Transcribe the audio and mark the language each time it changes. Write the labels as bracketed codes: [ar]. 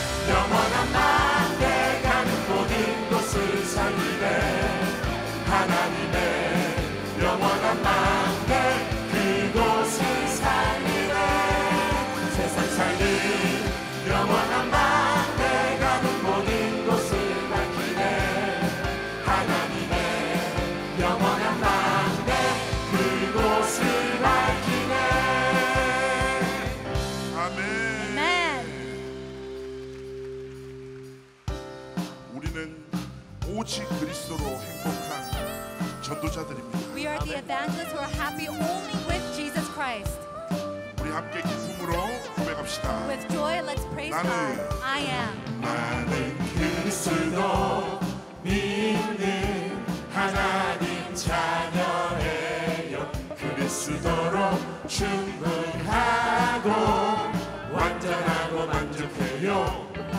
[ko] 영원한 망대 가는 모든 곳을 살리네 하나님의 영원한 망대 그곳을 살리네 세상 살리 영원한 망대 가는 모든 곳을 밝히네 하나님의 영원한 망대 그곳을 밝히네 아멘. 우리는 오직 그리스도로 행복한 전도자들입니다. [en] We are the evangelists who are happy only with Jesus Christ. [ko] 우리 함께 기쁨으로 고백합시다. [en] With joy, let's praise [ko] 나는, [en] God. I am. [ko] 나는 그리스도 믿는 하나님 자녀예요. 그리스도로 충분하고 완전하고 만족해요.